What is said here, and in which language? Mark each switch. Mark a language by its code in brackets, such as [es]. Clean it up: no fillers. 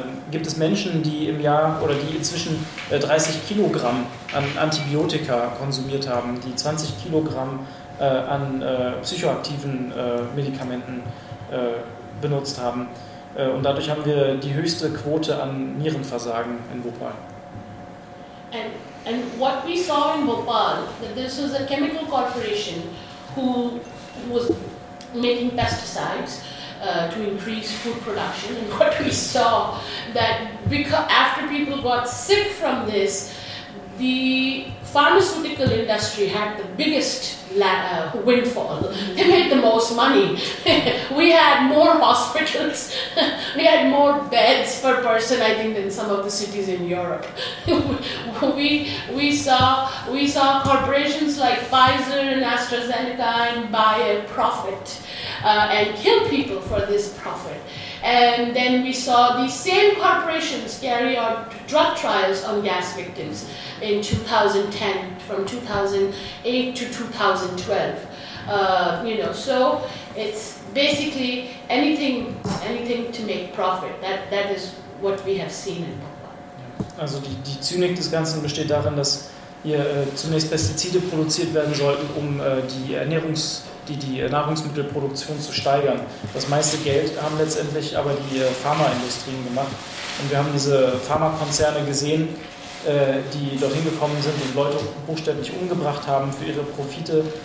[de] Gibt es Menschen, die im Jahr oder die inzwischen 30 Kilogramm an Antibiotika konsumiert haben, die 20 Kilogramm an psychoaktiven Medikamenten benutzt haben. Und dadurch haben wir die höchste Quote an Nierenversagen in Bhopal. [en] And what we saw in Bhopal, that this was a chemical corporation who was making pesticides to increase food production. And what we saw that after people got sick from this, the pharmaceutical industry had the biggest windfall. They made the most money. We had more hospitals. We had more beds per person, I think, than some of the cities in Europe. We saw corporations like Pfizer and AstraZeneca and Bayer profit and kill people for this profit. And then we saw these same corporations carry out drug trials on gas victims in 2010, from 2008 to 2012. So it's basically anything to make profit. That is what we have seen in Bhopal. [de] Also die Zynik des Ganzen besteht darin, dass hier zunächst Pestizide produziert werden sollten, um die Nahrungsmittelproduktion zu steigern. Das meiste Geld haben letztendlich aber die Pharmaindustrien gemacht. Und wir haben diese Pharmakonzerne gesehen, die dorthin gekommen sind und Leute buchstäblich umgebracht haben für ihre Profite.